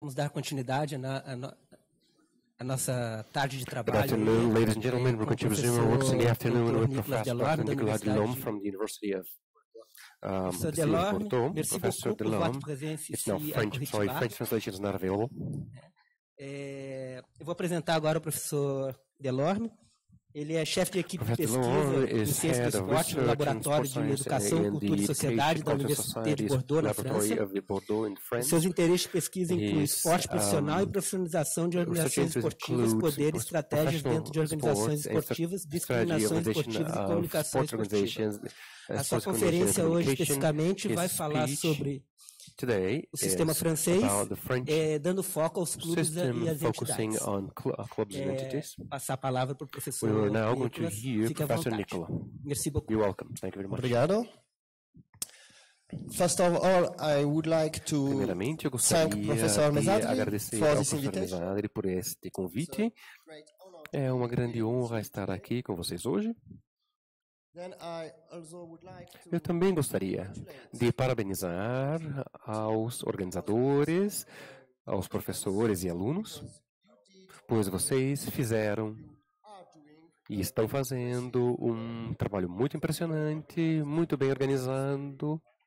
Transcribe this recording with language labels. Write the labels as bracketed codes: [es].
[pt] Vamos dar continuidade à nossa tarde de trabalho. [en] Good afternoon, ladies and gentlemen. We're going to resume our work in the afternoon with Professor Nicolas Delorme from the University of Bordeaux. Professor Delorme, it's now French. Sorry, French translation is not available. [pt] Eu vou apresentar agora o professor Delorme. Ele é chefe de equipe de pesquisa de ciência do esporte no Laboratório de Educação, Cultura e Sociedade da Universidade de Bordeaux, na França. Seus interesses de pesquisa incluem esporte profissional e profissionalização de organizações esportivas, poder e estratégias dentro de organizações esportivas, discriminações esportivas e comunicação esportiva. A sua conferência hoje especificamente vai falar sobre [en] today [pt] o sistema francês, dando foco aos clubes [en] system, [pt] e às [en] focusing on clubs and entities. [pt] Passar a palavra para o professor. [en] We are now going to hear Professor Nicola. [fr] Merci beaucoup. [en] You're welcome. Thank you very much. [pt] Obrigado. [en] First of all, I would like to thank Professor Mesadri for this invitation. [pt] Por este convite. É uma grande honra estar aqui com vocês hoje. [en] Then I also would like to [pt] eu também gostaria de parabenizar aos organizadores, aos professores e alunos, pois vocês fizeram e estão fazendo um trabalho muito impressionante, muito bem organizado.